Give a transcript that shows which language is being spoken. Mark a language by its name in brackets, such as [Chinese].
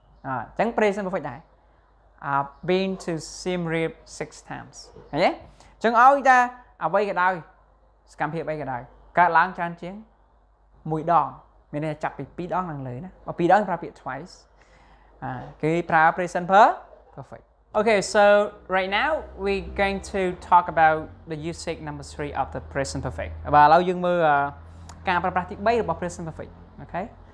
[Khmer] អញ្ចឹង present perfect ដែរ [English] I've been to Siem Reap 6 times [Khmer] ឃើញទេអញ្ចឹងឲ្យតាអ្វីក៏ដោយសកម្មភាពអីក៏ដោយកើតឡើងច្រើនជាង1ដងមានន័យថាចាប់ពី2ដងឡើងលើណាបើ2ដងប្រើពាក្យ twice គេប្រើ present perfect Okay [English] so right now we going to talk about the usage number 3 of the present perfect [Khmer] បាទឥឡូវយើងមើលការប្រើប្រាស់ទី3របស់ present perfect Okay